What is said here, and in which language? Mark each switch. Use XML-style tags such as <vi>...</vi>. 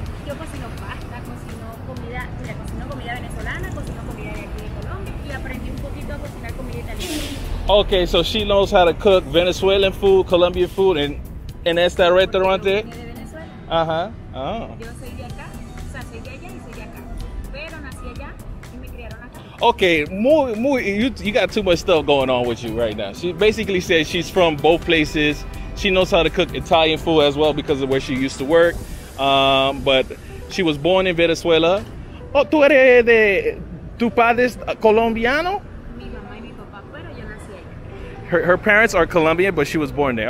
<es>Yo cocino pasta, cocino comida venezolana, cocino comida de aquí de Colombia y aprendí un poquito a cocinar comida italiana.</es> <en>Okay, so she knows how to cook Venezuelan food, Colombian food, and in</en> <es>este restaurante. Yo soy de Venezuela. Ajá. Uh-huh. Oh. Yo soy de acá, o sea, soy de allá y soy de acá, pero nací allá.</es> <en>Okay, you got too much stuff going on with you right now. She basically said she's from both places. She knows how to cook Italian food as well because of where she used to work. But she was born in Venezuela. Oh,</en> <es>tú eres de tu padre es colombiano? Mi mamá y mi papá, pero yo nací allá.</es> <en>Her parents are Colombian, but she was born there.</en>